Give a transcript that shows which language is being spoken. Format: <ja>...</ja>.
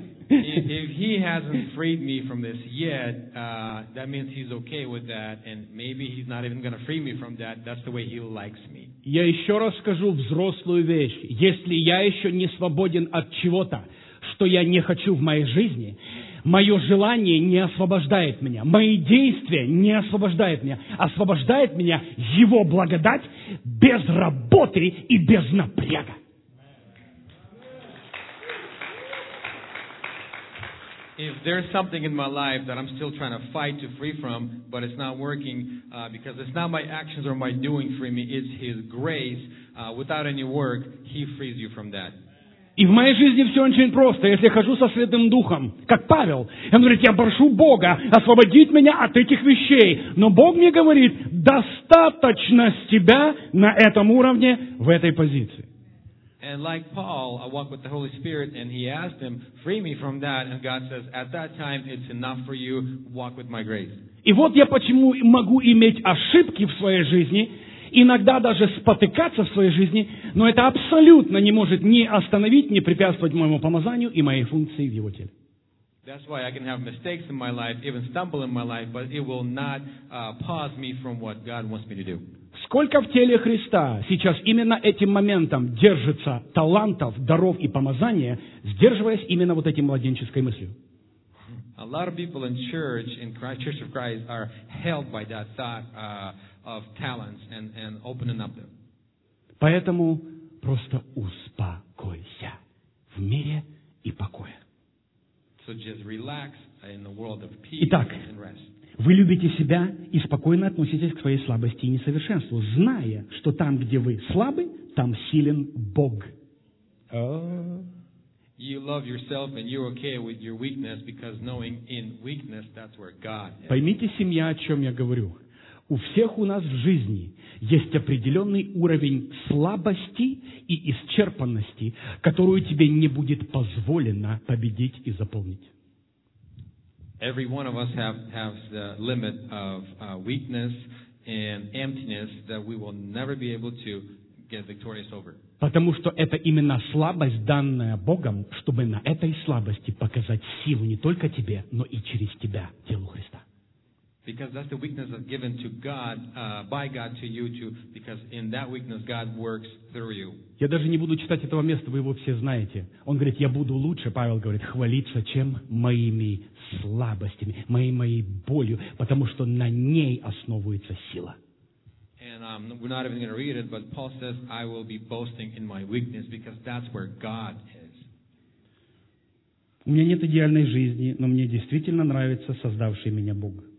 <en>If he hasn't freed me from this yet, that means he's okay with that, and maybe he's not even going to free me from that. That's the way he likes me.</en> <ru>Я еще раз скажу взрослую вещь. Если я еще не свободен от чего-то, что я не хочу в моей жизни, мое желание не освобождает меня, мои действия не освобождают меня. Освобождает меня его благодать без работы и без напряга.</ru> <en>If there's something in my life that I'm still trying to fight to free from, but it's not working, because it's not my actions or my doing free me, it's His grace, without any work, He frees you from that.</en> <ru>И в моей жизни все очень просто. Если я хожу со Святым Духом, как Павел, он говорит, я прошу Бога освободить меня от этих вещей. Но Бог мне говорит, достаточно с тебя на этом уровне, в этой позиции.</ru> <en>And like Paul, I walk with the Holy Spirit, and he asked him, free me from that. And God says, at that time, it's enough for you, walk with my grace.</en> <ru>И вот я почему могу иметь ошибки в своей жизни, иногда даже спотыкаться в своей жизни, но это абсолютно не может ни остановить, ни препятствовать моему помазанию и моей функции в его теле.</ru> <en>That's why I can have mistakes in my life, even stumble in my life, but it will not pause me from what God wants me to do.</en> <ru>Сколько в теле Христа сейчас именно этим моментом держится талантов, даров и помазания, сдерживаясь именно вот этим младенческой мыслью?</ru> <en>A lot of people in church, in Christ, Church of Christ, are held by that thought of talents and opening up them.</en> <ru>Поэтому просто успокойся в мире и покое.</ru> <en>So just relax in the world of peace.</en> <ru>Итак,</ru> <en>and rest.</en> <ru>Вы любите себя и спокойно относитесь к своей слабости и несовершенству, зная, что там, где вы слабы, там силен Бог.</ru> <en>You love yourself and you're okay with your weakness because knowing in weakness that's where God is.</en> <ru>Поймите, семья, о чем я говорю. У всех у нас в жизни есть определенный уровень слабости и исчерпанности, которую тебе не будет позволено победить и заполнить.</ru> <en>Every one of us has the limit of weakness and emptiness that we will never be able to get victorious over.</en> <ru>Потому что это именно слабость, данная Богом, чтобы на этой слабости показать силу не только тебе, но и через тебя, телу Христа.</ru> <en>Because that's the weakness that's given to God, by God to you, too, because in that weakness God works through you.</en> <ru>Я даже не буду читать этого места, вы его все знаете. Он говорит, я буду лучше, Павел говорит, хвалиться чем моими слабостями, моей болью, потому что на ней основывается сила.</ru> <en>And we're not even going to read it, but Paul says, I will be boasting in my weakness, because that's where God is.</en> <ru>У меня нет идеальной жизни, но мне действительно нравится создавший меня Бог.</ru>